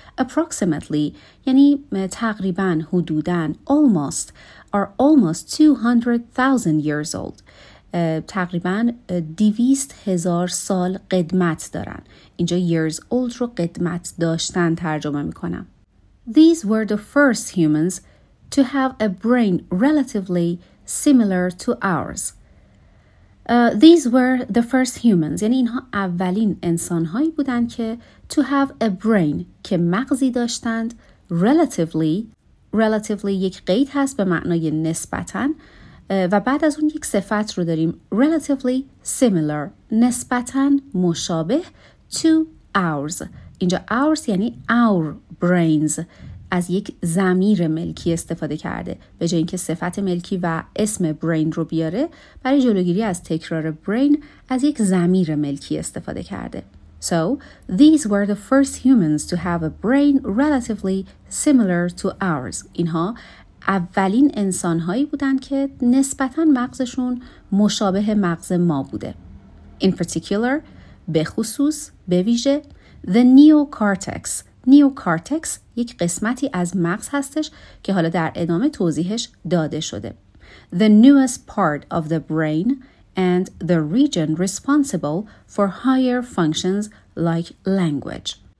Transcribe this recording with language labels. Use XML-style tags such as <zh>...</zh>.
<en>Approximately</en> <fa>یعنی تقریبا، حدوداً،</fa> <en>almost are almost 200,000 years old.</en> <fa>تقریبا 200,000 سال قدمت دارن. اینجا years old رو قدمت داشتن ترجمه میکنم.</fa> <en>These were the first humans to have a brain relatively similar to ours. These were the first humans.</en> <fa>یعنی اینها اولین انسان‌هایی بودند که</fa> <en>to have a brain</en> <fa>که مغزی داشتند</fa> <en>relatively.</en> <fa>Relatively یک قید هست به معنای نسبتاً. و بعد از اون یک صفت رو داریم</fa> <en>relatively similar،</en> <fa>نسبتاً مشابه to ours. اینجا ours یعنی our brains، از یک ضمیر ملکی استفاده کرده به جای اینکه صفت ملکی و اسم brain رو بیاره، برای جلوگیری از تکرار brain از یک ضمیر ملکی استفاده کرده.</fa> <en>So these were the first humans to have a brain relatively similar to ours.</en> <fa>اینها اولین انسان‌هایی بودند که نسبتاً مغزشون مشابه مغز ما بوده.</fa> <en>In particular،</en> <fa>به خصوص، به ویژه،</fa> <en>the neocortex.</en> <fa>Neocortex یک قسمتی از مغز هستش که حالا در ادامه توضیحش داده شده.</fa> <en>The newest part of the brain and the region responsible for higher functions like language.</en>